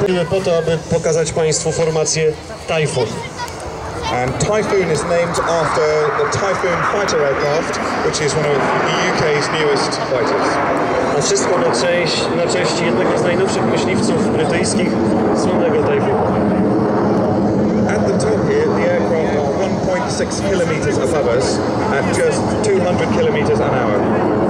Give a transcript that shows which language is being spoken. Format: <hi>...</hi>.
<pl>Po to, aby pokazać Państwu formację Typhoon.</pl> <en>And Typhoon is named after the Typhoon fighter aircraft, which is one of the UK's newest fighters.</en> <pl>A wszystko na cześć jednego z najnowszych myśliwców brytyjskich, słynnego Typhoon.</pl> <en>At the top here, the aircraft are 1.6 km above us at just 200 km an hour.</en>